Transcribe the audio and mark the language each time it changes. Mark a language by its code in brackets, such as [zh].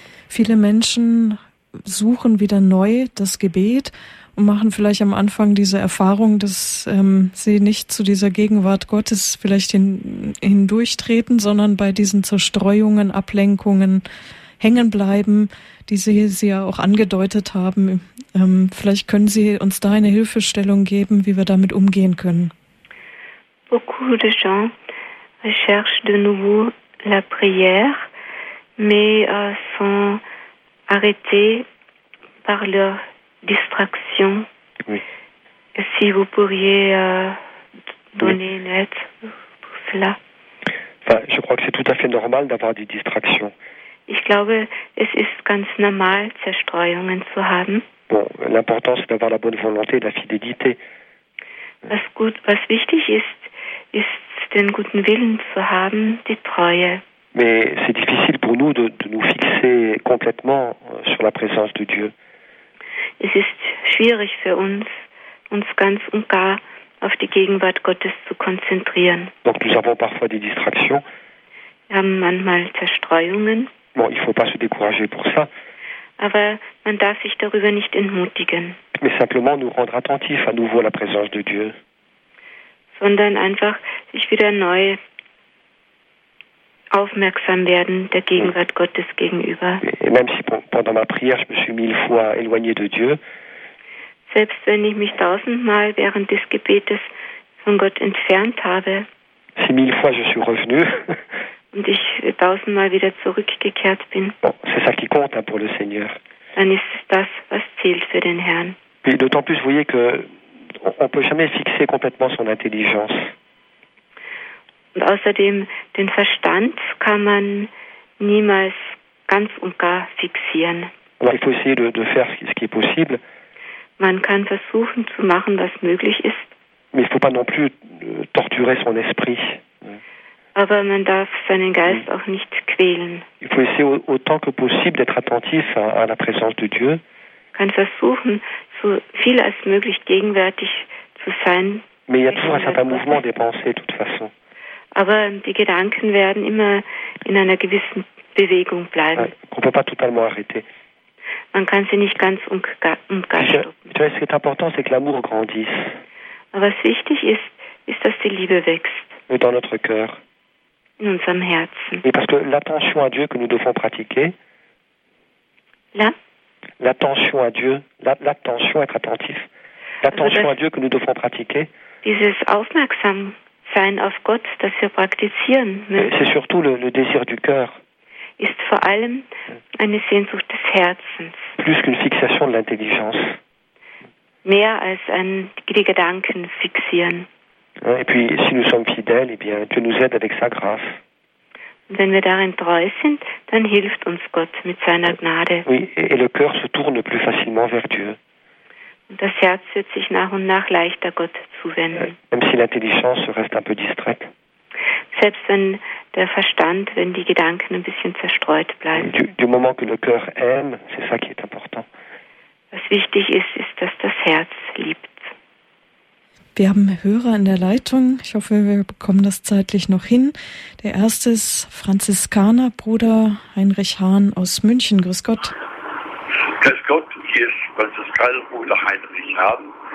[de] Viele Menschen suchen wieder neu das Gebet und machen vielleicht am Anfang diese Erfahrung, dass sie nicht zu dieser Gegenwart Gottes vielleicht hindurchtreten, sondern bei diesen Zerstreuungen, Ablenkungen hängen bleiben, die Sie ja auch angedeutet haben. Vielleicht können Sie uns da eine Hilfestellung geben, wie wir damit umgehen können. [fr] Beaucoup de gens recherchent de nouveau la prière. Mais sont arrêtés par leur distraction. Oui. Si vous pourriez donner une aide pour cela. Enfin, je crois que c'est tout à fait normal d'avoir des distractions. [de] Ich glaube, es ist ganz normal, Zerstreuungen zu haben. [fr] Bon, l'important c'est d'avoir la bonne volonté et la fidélité. [de] Was wichtig ist, ist den guten Willen zu haben, die Treue. [fr] Mais c'est difficile pour nous de nous fixer complètement sur la présence de Dieu. [de] Es ist schwierig für uns ganz und gar auf die Gegenwart Gottes zu konzentrieren. [fr] Donc nous avons parfois des distractions. [de] Wir haben manchmal Zerstreuungen. [fr] Bon, il faut pas se décourager pour ça. [de] Aber man darf sich darüber nicht entmutigen. [fr] Mais simplement nous rendre attentifs à nouveau à la présence de Dieu. [de] Sondern einfach sich wieder neu aufmerksam werden der Gegenwart Gottes gegenüber. [fr] Et même si pendant ma prière, je me suis mille fois éloigné de Dieu. [de] Selbst wenn ich mich tausendmal während des Gebetes von Gott entfernt habe. [fr] Si mille fois je suis revenu. [de] Und ich tausendmal wieder zurückgekehrt bin. [fr] Bon, c'est ça qui compte hein, pour le Seigneur. [de] Dann ist es das, was zählt für den Herrn. [fr] Et d'autant plus, vous voyez que on peut jamais fixer complètement son intelligence. [de] Und außerdem, den Verstand kann man niemals ganz und gar fixieren. [fr] Alors, il faut essayer de faire ce qui est possible. [de] Man kann versuchen zu machen, was möglich ist. [fr] Mais il faut pas non plus torturer son esprit. [de] Aber man darf seinen Geist auch nicht quälen. [fr] Il faut essayer autant que possible d'être attentif à la présence de Dieu. [de] Man kann versuchen, so viel als möglich gegenwärtig zu sein. [fr] Mais il y a toujours un certain mouvement des pensées, de toute façon. [de] Aber die Gedanken werden immer in einer gewissen Bewegung bleiben. [fr] On peut pas totalement arrêter. [de] Man kann sie nicht ganz und gar stoppen. [fr] Tu vois, ce qui est important, c'est que l'amour grandisse. [de] Aber was wichtig ist, ist, dass die Liebe wächst. [fr] Et dans notre cœur. [de] In unserem Herzen. [fr] Et parce que l'attention à Dieu que nous devons pratiquer. Là. L'attention à Dieu, l'attention, être attentif. L'attention à Dieu que nous devons pratiquer. [de] Dieses Aufmerksam. Sein auf Gott, das wir praktizieren müssen. [fr] C'est surtout le désir du cœur. [de] Ist vor allem eine Sehnsucht des Herzens. [fr] Plus qu'une fixation de l'intelligence. [de] Mehr als die Gedanken fixieren. [fr] Et puis, si nous sommes fidèles, eh bien, Dieu nous aide avec sa grâce. [de] Wenn wir darin treu sind, dann hilft uns Gott mit seiner Gnade. [fr] Oui, et le cœur se tourne plus facilement vers Dieu. [de] Und das Herz wird sich nach und nach leichter Gott zuwenden. [fr] Même si l'intelligence reste un peu distraite. [de] Selbst wenn der Verstand, wenn die Gedanken ein bisschen zerstreut bleiben. [fr] Du moment que le cœur aime, c'est ça qui est important. [de] Was wichtig ist, ist, dass das Herz liebt. Wir haben Hörer in der Leitung. Ich hoffe, wir bekommen das zeitlich noch hin. Der erste ist Franziskaner, Bruder Heinrich Hahn aus München. Grüß Gott. Grüß Gott, hier ist Franziskaner, Bruder Heinrich Hahn.